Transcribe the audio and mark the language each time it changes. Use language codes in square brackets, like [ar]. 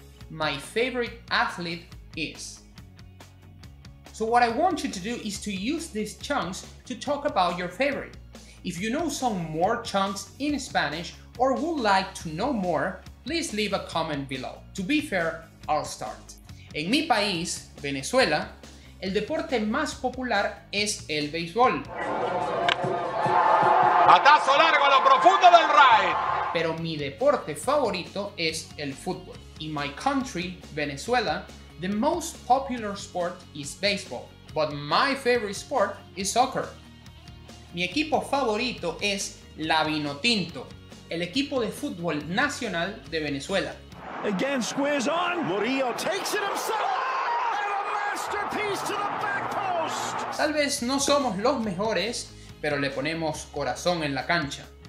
[en] My favorite athlete is. So what I want you to do is to use these chunks to talk about your favorite. If you know some more chunks in Spanish or would like to know more, please leave a comment below. To be fair, I'll start. [es] En mi país, Venezuela, el deporte más popular es el béisbol. Atazo largo a lo profundo del right. Pero mi deporte favorito es el fútbol. [en] In my country, Venezuela, the most popular sport is baseball, but my favorite sport is soccer. [es] Mi equipo favorito es la Vinotinto, el equipo de fútbol nacional de Venezuela. [en] Again, squares on. Murillo takes it himself. And a masterpiece to the back post. [es] Tal vez no somos los mejores, pero le ponemos corazón en la cancha.